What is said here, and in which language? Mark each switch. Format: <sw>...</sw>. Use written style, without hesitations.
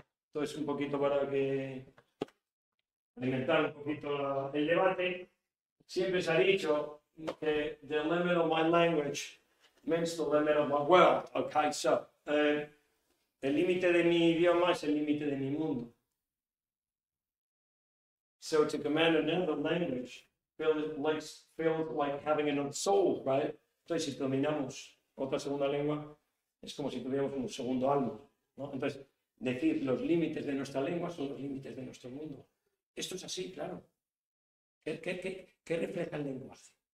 <es>Entonces, un poquito para que alimentar un poquito el debate. Siempre se ha dicho que</es> <en>the limit of my language means the limit of my world.</en> <es>Okay, so, el límite de mi idioma es el límite de mi mundo.</es> <en>So to command another language feels like having an own soul, right?</en> <es>Entonces, si dominamos otra segunda lengua, es como si tuviéramos un segundo alma, ¿no? Entonces, decir los límites de nuestra lengua son los límites de nuestro mundo. Esto es así, claro. ¿Qué refleja el lenguaje?</es>